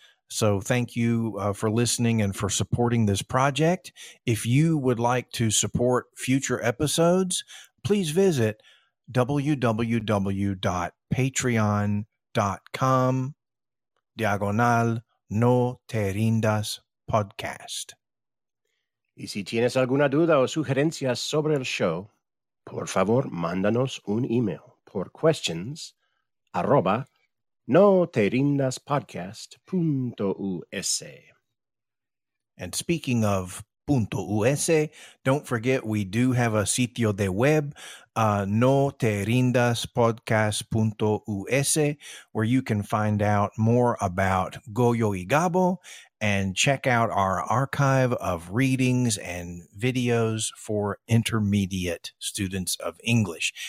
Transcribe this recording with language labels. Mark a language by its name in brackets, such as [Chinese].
[English] So thank you for listening and for supporting this project. If you would like to support future episodes, please visit www.patreon.com/NoTeRindasPodcast. [Spanish] Y si tienes alguna duda o sugerencia sobre el show, por favor, mándanos un email por questions@NoTeRindasPodcast.us. [English] And speaking of .us, don't forget we do have a [Spanish] sitio de web, [English] NoTeRindasPodcast.us, where you can find out more about Goyo y Gabo and check out our archive of readings and videos for intermediate students of English.